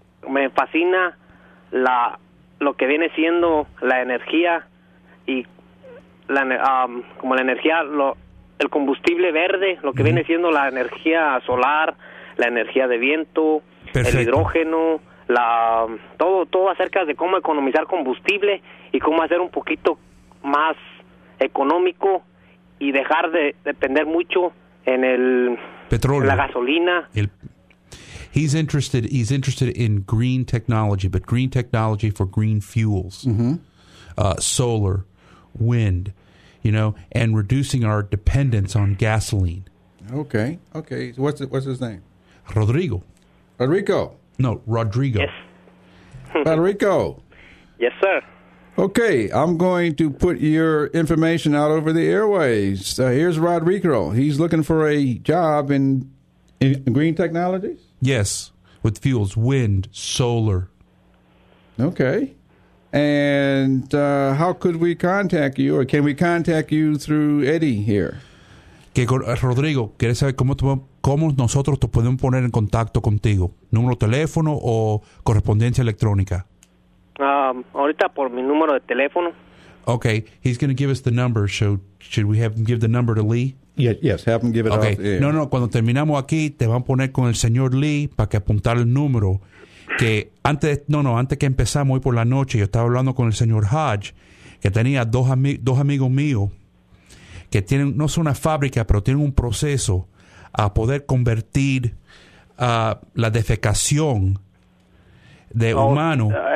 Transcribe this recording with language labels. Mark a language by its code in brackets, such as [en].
[es] Me fascina lo que viene siendo la energía y el combustible verde, lo que viene siendo la energía solar, la energía de viento, perfecto, el hidrógeno, todo acerca de cómo economizar combustible y cómo hacer un poquito más económico y dejar de depender mucho en el petróleo, en la gasolina. [en] He's interested in green technology, but green technology for green fuels, solar, wind, you know, and reducing our dependence on gasoline. Okay, okay. What's his name? Rodrigo. Rodrigo. No, Rodrigo. Yes. Rodrigo. Yes, sir. Okay, I'm going to put your information out over the airways. Here's Rodrigo. He's looking for a job in green technologies? Yes, with fuels, wind, solar. Okay. And how could we contact you, or can we contact you through Eddie here? [es] Que Rodrigo, ¿quieres saber cómo nosotros te podemos poner en contacto contigo? ¿Número de teléfono o correspondencia electrónica? Ahorita por mi número de teléfono. [en] Okay, he's going to give us the number, so should we have him give the number to Lee? Yes, have them give it okay. Off the air. [es] No, cuando terminamos aquí, te van a poner con el señor Lee para que apuntar el número. Que antes que empezamos hoy por la noche, yo estaba hablando con el señor Hodge, que tenía dos amigos míos, que tienen, no son una fábrica, pero tienen un proceso a poder convertir la defecación de humano.